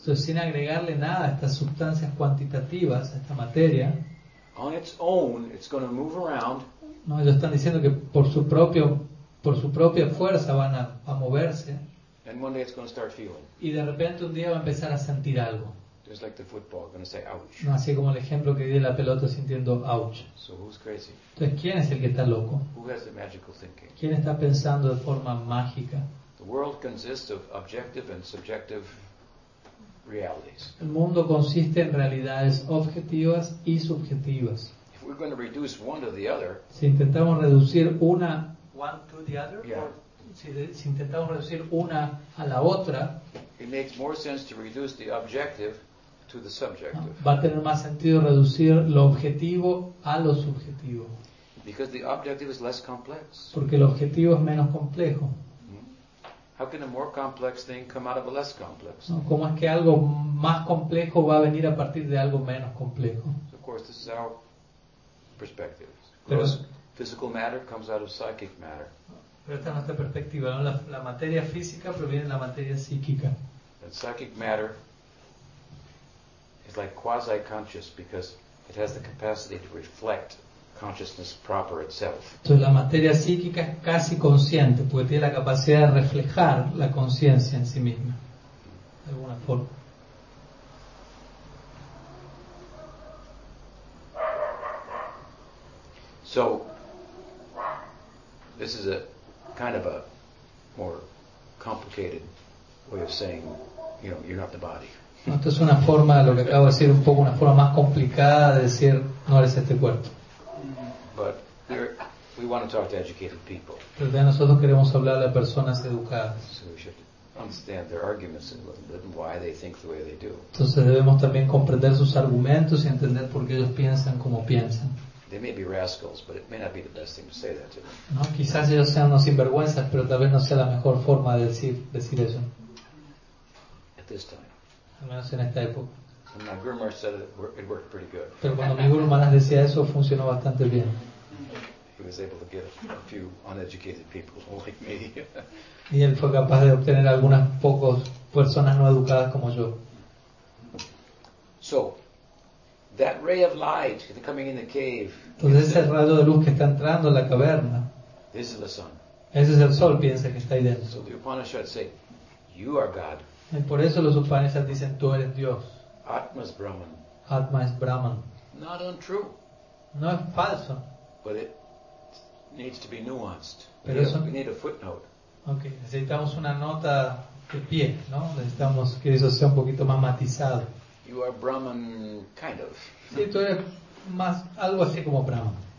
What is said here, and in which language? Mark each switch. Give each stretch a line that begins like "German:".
Spanish: Entonces, sin agregarle nada a estas sustancias cuantitativas, a esta materia,
English: on its own, it's going to move around.
Spanish: No, ellos están diciendo que por su propia fuerza van a moverse.
English: And one day it's going to start feeling.
Spanish: Y de repente un día va a empezar a sentir algo.
English: Just like the football, going to say ouch.
Spanish: No, así como el ejemplo que di de la pelota sintiendo ouch.
English: So who's crazy?
Spanish: Entonces, ¿quién es el que está loco?
English: Who has the magical thinking?
Spanish: ¿Quién está pensando de forma mágica?
English: The world consists of objective and subjective realities.
Spanish: El mundo consiste en realidades objetivas y subjetivas.
English: If we're going to reduce one to the other,
Spanish: si intentamos reducir una,
English: one to the other, yeah.
Spanish: Si intentamos reducir una a la otra,
English: it makes more sense to reduce the objective to the subjective.
Spanish: Va a tener más sentido reducir lo objetivo a lo subjetivo.
English: Because the objective is less complex.
Spanish: Porque el objetivo es menos complejo.
English: How can a more complex thing come out of a less complex?
Spanish: No, ¿cómo es que algo más complejo va a venir a partir de algo menos complejo?
English: So of course, this is our perspective. Gross physical matter comes out of psychic matter.
Spanish: Pero esta es nuestra perspectiva, ¿no? La materia física proviene de la materia psíquica.
English: And psychic matter is like quasi-conscious because it has the capacity to reflect consciousness proper itself.
Spanish: Entonces la materia psíquica es casi consciente, porque tiene la capacidad de reflejar la conciencia en sí misma, de alguna forma.
English: So, this is a kind of a more complicated way of saying, you know, you're not the body.
Spanish: Esto es una forma, lo que acabo de decir, un poco una forma más complicada de decir, no eres este cuerpo.
English: But we want to talk to educated people.
Spanish: Pero nosotros queremos hablar a personas educadas.
English: So we should understand their arguments and why they think the way they do.
Spanish: Entonces debemos también comprender sus argumentos y entender por qué ellos piensan como piensan.
English: They may be rascals, but it may not be the best thing to say that to them.
Spanish: No, quizás ellos sean unos sinvergüenzas, pero tal vez no sea la mejor forma de decir eso.
English: At this time.
Spanish: Al menos en esta época.
English: And my Guru Maharaj said it worked pretty good.
Spanish: Pero cuando mi Guru Maharaj decía eso, funcionó bastante bien.
English: He was able to get a few uneducated people like me.
Spanish: Y él fue capaz de obtener algunas pocas personas no educadas como yo.
English: So, that ray of light coming in the cave.
Spanish: Entonces ese rayo de luz que está entrando en la caverna.
English: This is the sun.
Spanish: Ese es el sol, piensa que está ahí dentro.
English: So the Upanishads say, you are God.
Spanish: Y por eso los Upanishads dicen, tú eres Dios.
English: Atma is Brahman. Atma is Brahman. Not untrue.
Spanish: No es falso.
English: But it needs to be nuanced.
Spanish: Pero eso,
English: we need a footnote.
Spanish: Okay, necesitamos una nota de pie, ¿no? Necesitamos que eso sea un poquito más matizado.
English: You are Brahman, kind of.
Spanish: Sí, tú eres más algo así como Brahman.